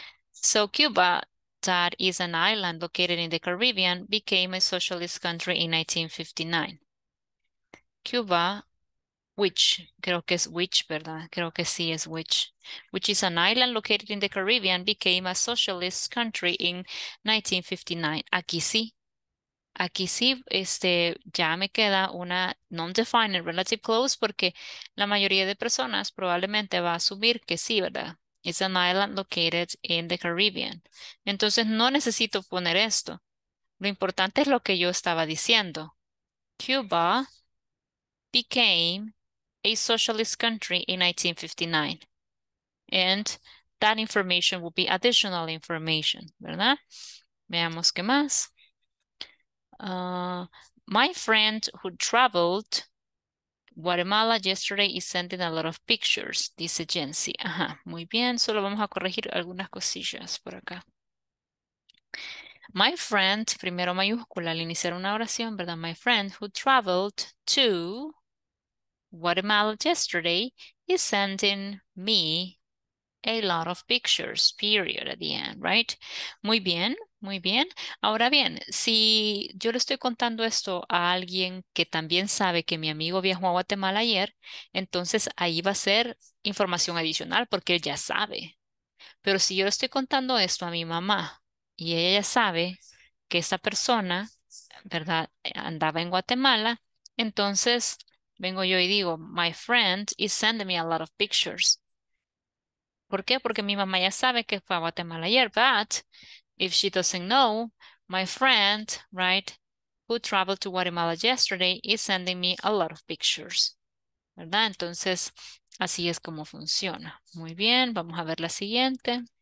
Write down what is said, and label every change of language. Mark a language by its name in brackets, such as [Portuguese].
[English] So Cuba, that is an island located in the Caribbean, became a socialist country in 1959. [Spanish] Cuba, which, creo que es which, ¿verdad? Creo que sí es which. [English] Which is an island located in the Caribbean, became a socialist country in 1959. [Spanish] Aquí sí. Aquí sí, ya me queda una non-defined relative clause porque la mayoría de personas probablemente va a asumir que sí, ¿verdad? [English] It's an island located in the Caribbean. [Spanish] Entonces no necesito poner esto. Lo importante es lo que yo estaba diciendo. [English] Cuba became a socialist country in 1959. And that information will be additional information, ¿verdad? Veamos qué más. My friend who traveled Guatemala yesterday is sending a lot of pictures, dice Jency. [Spanish] Ajá, muy bien, solo vamos a corregir algunas cosillas por acá. My friend, primero mayúscula al iniciar una oración, ¿verdad? [English] My friend who traveled to Guatemala yesterday is sending me a lot of pictures, period, at the end, right? [Spanish] Muy bien, muy bien. Ahora bien, si yo le estoy contando esto a alguien que también sabe que mi amigo viajó a Guatemala ayer, entonces ahí va a ser información adicional porque él ya sabe. Pero si yo le estoy contando esto a mi mamá y ella ya sabe que esa persona, ¿verdad?, andaba en Guatemala, entonces vengo yo y digo, [English] my friend is sending me a lot of pictures. [Spanish] ¿Por qué? Porque mi mamá ya sabe que fue a Guatemala ayer. [English] But if she doesn't know, my friend, right, who traveled to Guatemala yesterday is sending me a lot of pictures. ¿Verdad? [Spanish] Entonces, así es como funciona. Muy bien, vamos a ver la siguiente.